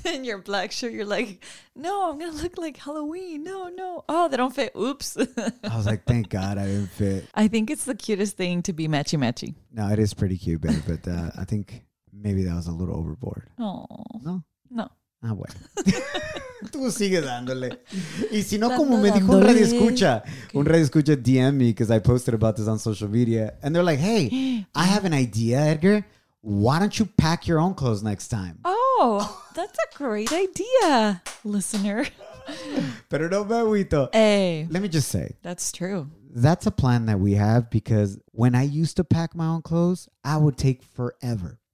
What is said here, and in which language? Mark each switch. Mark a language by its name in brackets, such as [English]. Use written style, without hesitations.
[English] In your black shirt, you're like, no, I'm going to look like Halloween. No, no. Oh, they don't fit. Oops. I was like, thank God I didn't fit. I think it's the cutest thing to be matchy-matchy. No, it is pretty cute, babe. But I think maybe that was a little overboard. Oh. No? No. [Spanish] Ah, bueno. Tú sigue dándole. Y si no, como me dijo un radio escucha. [English] Okay. [Spanish] Un radio escucha [English] DM me because I posted about this on social media. And they're like, hey, I have an idea, Edgar. Why don't you pack your own clothes next time? Oh, that's a great idea, listener. [Spanish] Pero no me agüito. [English] Hey. Let me just say. That's true. That's a plan that we have because when I used to pack my own clothes, I would take forever.